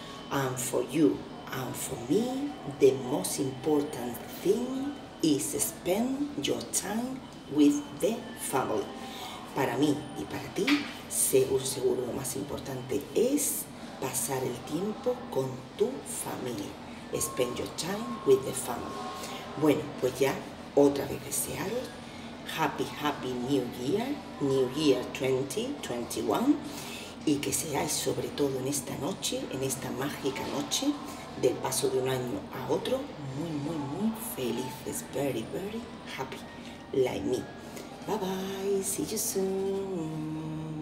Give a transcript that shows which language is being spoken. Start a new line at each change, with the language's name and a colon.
English: And for you, and for me, the most important thing is spend your time with the family.
Spanish: Para mí y para ti, seguro lo más importante es pasar el tiempo con tu familia.
English: Spend your time with the family.
Spanish: Bueno, pues ya otra vez desearos
English: Happy New Year, New Year 2021,
Spanish: y que seáis sobre todo en esta noche, en esta mágica noche del paso de un año a otro, muy, muy, muy felices,
English: very, very happy, like me. Bye, bye, see you soon.